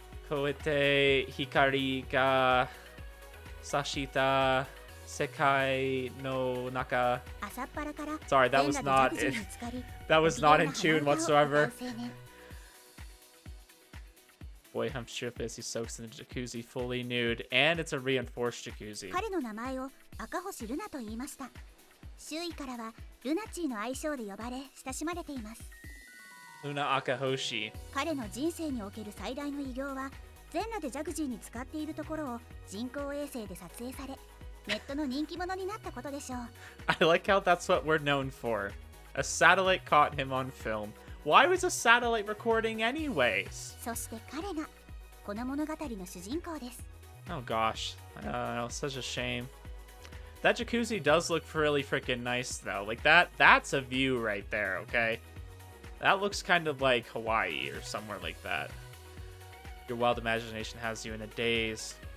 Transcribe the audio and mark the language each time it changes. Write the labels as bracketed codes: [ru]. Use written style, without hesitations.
[ja] Koete hikari ga. Sashita Sekai no Naka. [en] Sorry, that was not in, that was not in tune whatsoever. Boy humps ship as he soaks in the jacuzzi fully nude, and it's a reinforced jacuzzi. [ja] 彼の名前を赤星ルナと言いました。周囲からはルナチーの愛称で呼ばれ親しまれています。ルナ Akahoshi. 彼の人生における最大の偉業は全裸でジャグジーに使っているところを人工衛星で撮影され、ネットの人気者になったことでしょう。 [en] I like how that's what we're known for. A satellite caught him on film. Why was a satellite recording anyways? [ja] そして彼がこの物語の主人公です。 [en] Oh gosh, such a shame. That jacuzzi does look really freaking nice, though. Like, that's a view right there, okay? That looks kind of like Hawaii or somewhere like that. Your wild imagination has you in a daze.